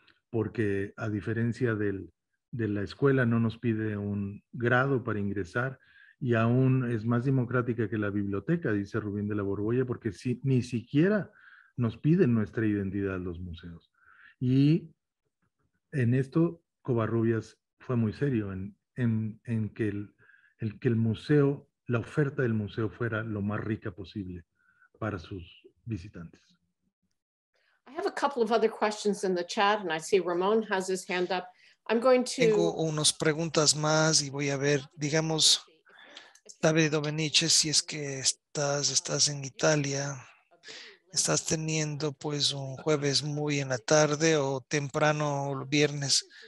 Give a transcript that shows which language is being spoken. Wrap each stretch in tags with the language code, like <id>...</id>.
<es>Porque a diferencia de la escuela, no nos pide un grado para ingresar, y aún es más democrática que la biblioteca, dice Rubín de la Borbolla, porque si, ni siquiera nos piden nuestra identidad los museos. Y en esto Covarrubias fue muy serio, en que el museo, la oferta del museo fuera lo más rica posible para sus visitantes.</es> <en>I have a couple of other questions in the chat, and I see Ramon has his hand up.</en> <es>Tengo unas preguntas más, y voy a ver, digamos, David Domeniche, si es que estás en Italia. ¿Estás teniendo pues un jueves muy en la tarde o temprano o viernes?</es>